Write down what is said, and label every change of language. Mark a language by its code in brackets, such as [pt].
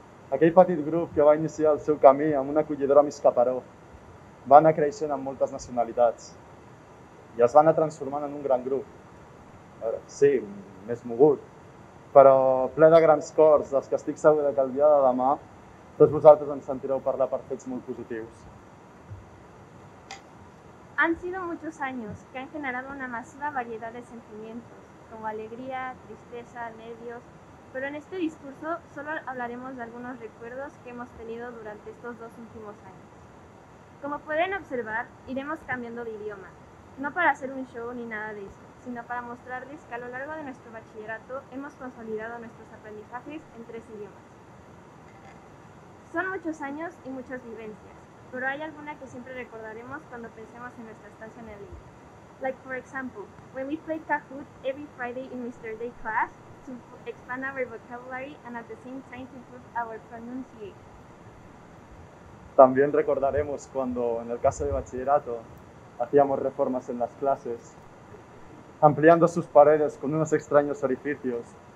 [ca] Aquell petit grup que va iniciar el seu camí amb un acollidor a Miscaparó va anar creixent amb moltes nacionalitats i es va anar transformant en un gran grup. Sí, més mogut, però ple de grans cors, dels que estic segur que el dia de demà tots vosaltres ens sentireu parlar per fets molt positius. [es] Han sido muchos años que han generado una masiva variedad de sentimientos, como alegría, tristeza, nervios, pero en este discurso solo hablaremos de algunos recuerdos que hemos tenido durante estos 2 últimos años. Como pueden observar, iremos cambiando de idioma, no para hacer un show ni nada de eso, sino para mostrarles que a lo largo de nuestro bachillerato hemos consolidado nuestros aprendizajes en 3 idiomas. Son muchos años y muchas vivencias, pero hay alguna que siempre recordaremos cuando pensemos en nuestra estancia en el IB. [en] Like for example, when we play Kahoot every Friday in Mr. Day class to expand our vocabulary and at the same time to improve our pronunciation. [es] También recordaremos cuando, en el caso de bachillerato, hacíamos reformas en las clases, ampliando sus paredes con unos extraños orificios.